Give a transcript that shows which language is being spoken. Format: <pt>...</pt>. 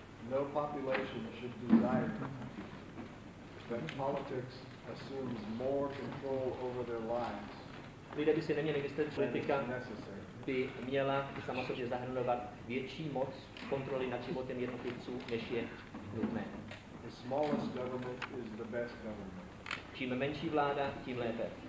<en>No population should desire that politics assumes more control over their lives.</en> <cs>Lidé by si neměli myslet, že politika by měla sama sobě zahrnovat větší moc kontroly nad životem jednotlivců, než je nutné.</cs> <en>The smallest government is the best government.</en> <cs>Čím menší vláda, tím lépe.</cs>